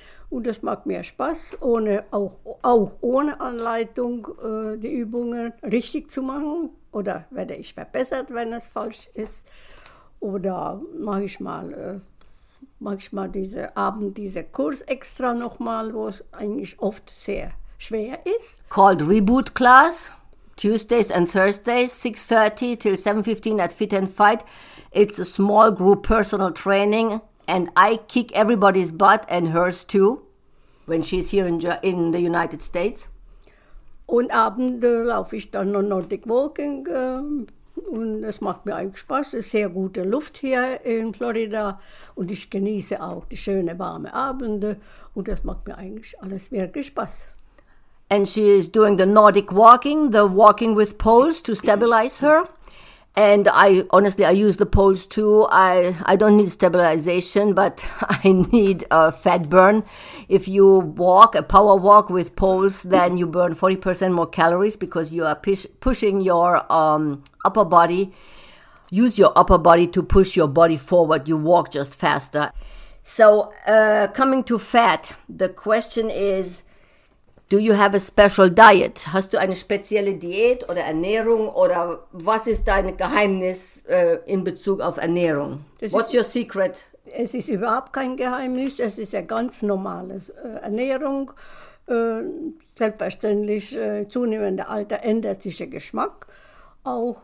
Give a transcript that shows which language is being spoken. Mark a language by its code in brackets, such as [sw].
[de] Und das macht mir Spaß, ohne Anleitung die Übungen richtig zu machen. Oder werde ich verbessert, wenn es falsch ist. Oder mache ich mal diese Abend diesen Kurs extra nochmal, wo es eigentlich oft sehr schwer ist. [en] Called Reboot Class, Tuesdays and Thursdays, 6:30 till 7:15 at Fit and Fight. It's a small group personal training. And I kick everybody's butt and hers too, when she's here in the United States. [de] Und abends laufe ich dann noch Nordic Walking und es macht mir eigentlich Spaß. Es ist sehr gute Luft hier in Florida und ich genieße auch die schönen warmen Abende und das macht mir eigentlich alles wirklich Spaß. [en] And she is doing the Nordic Walking, the walking with poles to stabilize her. And I honestly use the poles too. I don't need stabilization, but I need a fat burn. If you walk, a power walk with poles, then you burn 40% more calories because you are pushing your upper body. Use your upper body to push your body forward. You walk just faster. So coming to fat, the question is, do you have a special diet? [de] Hast du eine spezielle Diät oder Ernährung? Oder was ist dein Geheimnis in Bezug auf Ernährung? [en] Your secret? [de] Es ist überhaupt kein Geheimnis. Es ist eine ganz normale Ernährung. Selbstverständlich, zunehmender Alter ändert sich der Geschmack auch.